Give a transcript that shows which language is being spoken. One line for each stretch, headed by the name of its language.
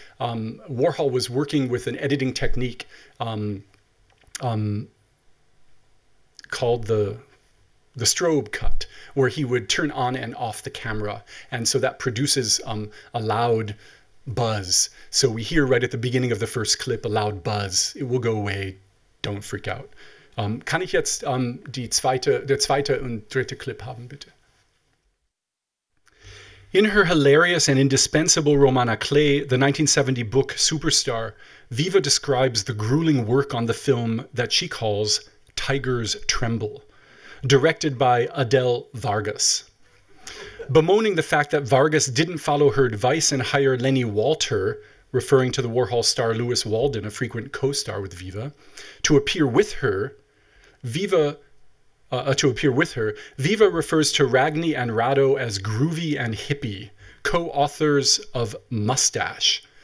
English: Warhol was working with an editing technique called the strobe cut, where he would turn on and off the camera. And so that produces a loud buzz. So we hear right at the beginning of the first clip, a loud buzz. It will go away. Don't freak out.
German: Kann ich jetzt der zweite und dritte Clip haben, bitte?
English: In her hilarious and indispensable Romana Clay, the 1970 book Superstar, Viva describes the grueling work on the film that she calls Tigers Tremble, directed by Adele Vargas. Bemoaning the fact that Vargas didn't follow her advice and hire Lenny Walter, referring to the Warhol star Louis Walden, a frequent co-star with Viva, to appear with her, Viva refers to Ragni and Rado as groovy and hippie, co-authors of Mustache,